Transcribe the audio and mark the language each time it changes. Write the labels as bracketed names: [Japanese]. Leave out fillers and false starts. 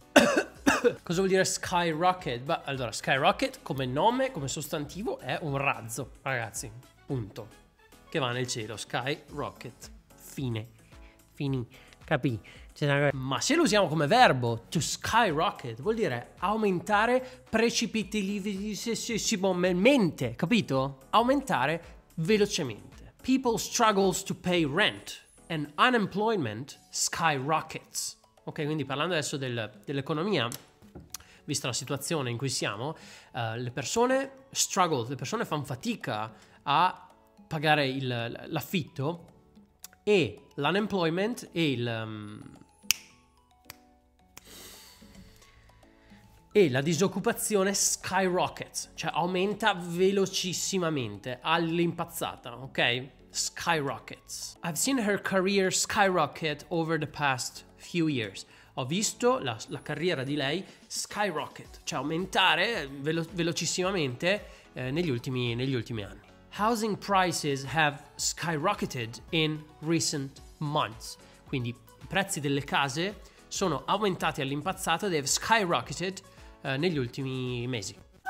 [Italian] Cosa vuol dire Skyrocket? Beh, allora, Skyrocket come nome, come sostantivo, è un razzo, ragazzi, punto. Che va nel cielo, Skyrocket. Fine. Fini. Capì? Ma se lo usiamo come verbo, to skyrocket, vuol dire aumentare precipitosamente, capito? Aumentare velocemente. [English] People struggles to pay rent and unemployment skyrockets. [Italian] Ok, quindi parlando adesso dell'economia, vista la situazione in cui siamo, le persone struggle, le persone fanno fatica a pagare l'affitto e l'unemployment e la disoccupazione skyrockets, cioè aumenta velocissimamente, all'impazzata, ok? [English] Skyrockets. I've seen her career skyrocket over the past few years. [Italian] Ho visto la carriera di lei skyrocket, cioè aumentare velocissimamente negli ultimi anni. [English] Housing prices have skyrocketed in recent months. [Italian] Quindi i prezzi delle case sono aumentati all'impazzata, [English] they have skyrocketed [Italian] negli ultimi mesi.